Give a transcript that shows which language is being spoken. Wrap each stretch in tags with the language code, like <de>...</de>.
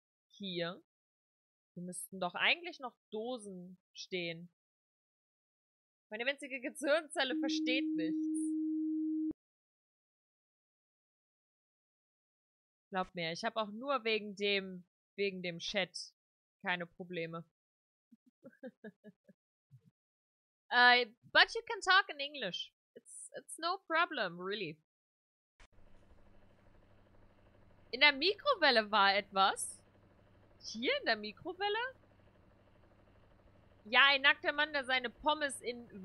<de>Hier. Hier müssten doch eigentlich noch Dosen stehen. Meine winzige Gehirnzelle versteht nichts. Glaub mir, ich habe auch nur wegen dem Chat keine Probleme.</de> <en>but you can talk in English. It's no problem, really.</en> <de>In der Mikrowelle war etwas. Hier in der Mikrowelle? Ja, ein nackter Mann, der seine Pommes in...</de>